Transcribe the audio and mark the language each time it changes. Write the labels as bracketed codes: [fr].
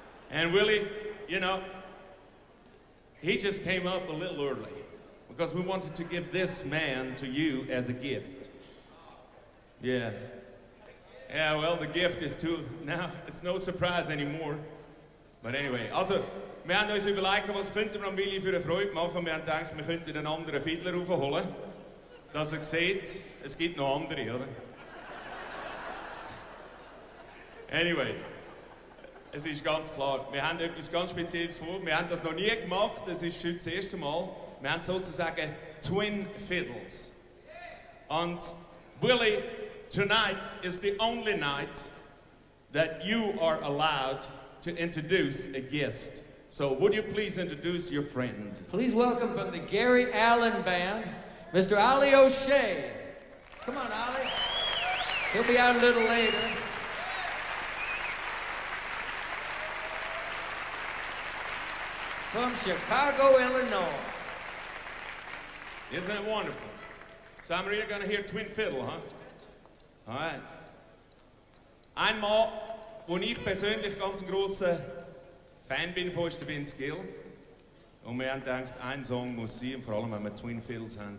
[en] And Willie, you know, he just came up a little early because we wanted to give this man to you as a gift. Yeah. Yeah, well, the gift is too, now it's no surprise anymore. But anyway, [de] also, wir haben uns überlegt, was könnten wir am Willi für eine Freude machen. Wir haben gedacht, wir könnten einen anderen Fiddler raufholen, dass er sieht, es gibt noch andere, oder? Anyway, es ist ganz klar, wir haben etwas ganz Spezielles vor. Wir haben das noch nie gemacht, das ist heute das erste Mal. Wir haben sozusagen Twin Fiddles. Und Willi, [en] tonight is the only night that you are allowed to introduce a guest. So would you please introduce your friend? Please welcome from the Gary Allen Band, Mr. Ollie O'Shea. Come on, Ollie. He'll be out a little later. From Chicago, Illinois. Isn't it wonderful? So I'm really gonna hear twin fiddle, huh? All right. [de] Einmal, wo ich persönlich ganz ein grosser Fan bin von ist der Vince Gill. Und wir haben gedacht, ein Song muss sein, und vor allem wenn wir Twin Fiddles haben.